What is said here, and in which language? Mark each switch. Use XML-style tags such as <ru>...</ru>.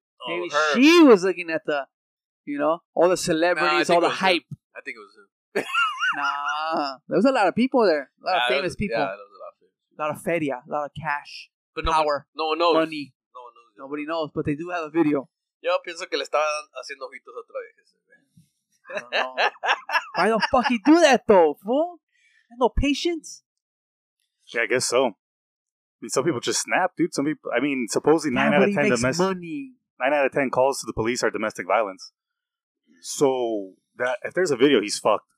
<en>Maybe she was looking at the, all the celebrities, all the hype. Him. I think it was him. Nah, there was a lot of people there. A lot of famous people. Yeah, there was a lot of famous people. A lot of feria, a lot of cash, but power, no one knows. Money. No one knows. Nobody knows, but they do have a video.</en> <es>Yo pienso que le estaban haciendo ojitos otra vez.</es> <en>I don't know. Why the fuck you do that, though, fool? No patience? Yeah, I guess so. I mean, some people just snap, dude. Some people, I mean, supposedly nobody 9 out of 10 money. 9 out of 10 calls to the police are domestic violence. So, that if there's a video, he's fucked.</en>